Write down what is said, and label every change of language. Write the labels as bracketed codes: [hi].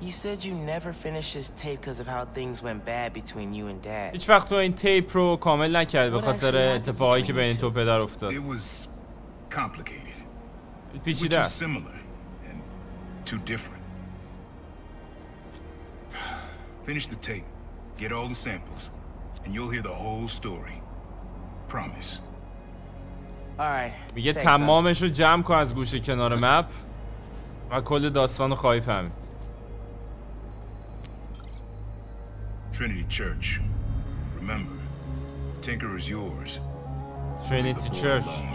[en] You said you never finished this tape because of how things went bad between you and dad. [fa] هیچ وقت تو این تیپ رو کامل نکرد به خاطر اتفاقی که بین تو و پدر افتاد. [en] It was complicated. [fa] پیچیده. [en] Too similar and too different. Finish the tape. Get all the samples and you'll hear the whole story. Promise. All right. [fa] میگه تمامش رو جمع کن از گوشه کنار مپ. و کل داستان رو خواهی فهمید. [en] Trinity Church. Remember, Tinker is yours. Trinity Church.